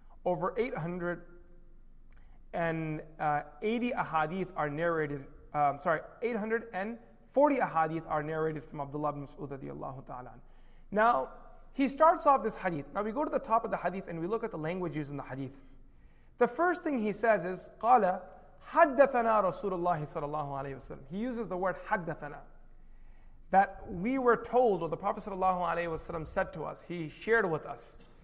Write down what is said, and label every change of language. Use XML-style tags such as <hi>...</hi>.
<en>Over 880 ahadith are narrated. 840 ahadith are narrated from Abdullah ibn Mas'ud radiyallahu ta'ala. Now, he starts off this hadith. Now, we go to the top of the hadith and we look at the language used in the hadith. The first thing he says is,</en> <ar>قَالَ حَدَّثَنَا رَسُولَ اللَّهِ صَلَى اللَّهُ عَلَيْهِ وَسَلَمْ.</ar> <en>He uses the word حَدَّثَنَا. That we were told, or the Prophet صلى الله عليه وسلم said to us, he shared with us.</en>